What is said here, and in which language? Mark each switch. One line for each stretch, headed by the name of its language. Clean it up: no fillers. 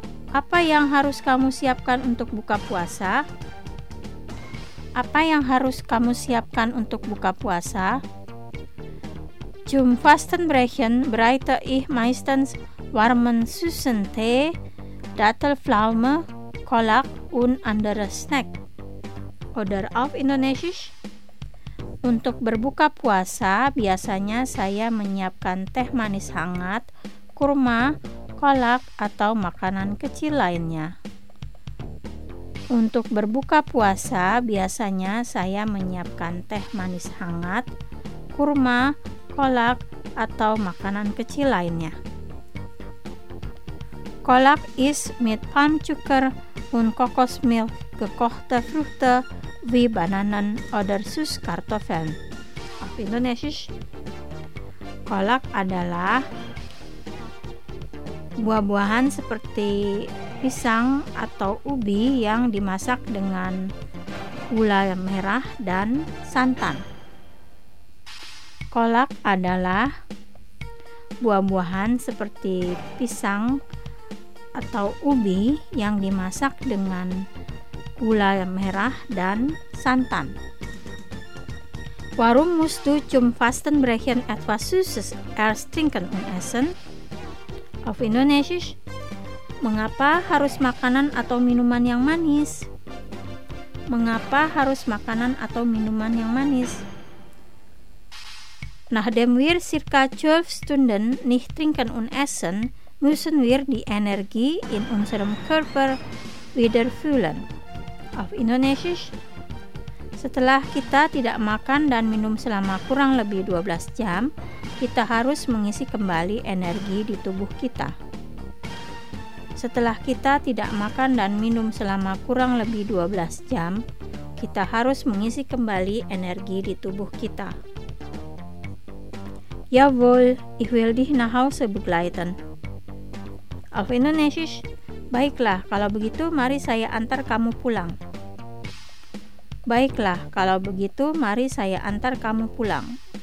Indonesian: Apa yang harus kamu siapkan untuk buka puasa? apa yang harus kamu siapkan untuk buka puasa?
German: Zum Fastenbrechen bereite ich meistens warmen süßen Tee, Dattelpflaume, Kolak und andere Snack. Oder auf Indonesisch?
Indonesian: Untuk berbuka puasa, biasanya saya menyiapkan teh manis hangat, kurma, kolak, atau makanan kecil lainnya. Untuk berbuka puasa, biasanya saya menyiapkan teh manis hangat, kurma, kolak, atau makanan kecil lainnya.
German: Kolak is mit Palmzucker und Kokosmilch gekochte Früchte wie Bananen oder Süßkartoffeln. Auf Indonesisch.
Indonesian: Kolak adalah buah-buahan seperti pisang atau ubi yang dimasak dengan gula merah dan santan. Kolak adalah buah-buahan seperti pisang atau ubi yang dimasak dengan gula merah dan santan.
German: Warum musst du zum Fastenbrechen etwas Süßes erst trinken und essen? Auf Indonesisch.
Indonesian: Mengapa harus makanan atau minuman yang manis? Mengapa harus makanan atau minuman yang manis?
German: Nachdem wir circa 12 Stunden nicht trinken und essen, müssen wir die Energie in unserem Körper wieder füllen. Auf Indonesisch.
Indonesian: Setelah kita tidak makan dan minum selama kurang lebih 12 jam, kita harus mengisi kembali energi di tubuh kita. Setelah kita tidak makan dan minum selama kurang lebih 12 jam, kita harus mengisi kembali energi di tubuh kita.
German: Jawohl, ich will dich nach Hause begleiten. Auf Indonesisch.
Indonesian: Baiklah, kalau begitu mari saya antar kamu pulang. Baiklah, kalau begitu mari saya antar kamu pulang.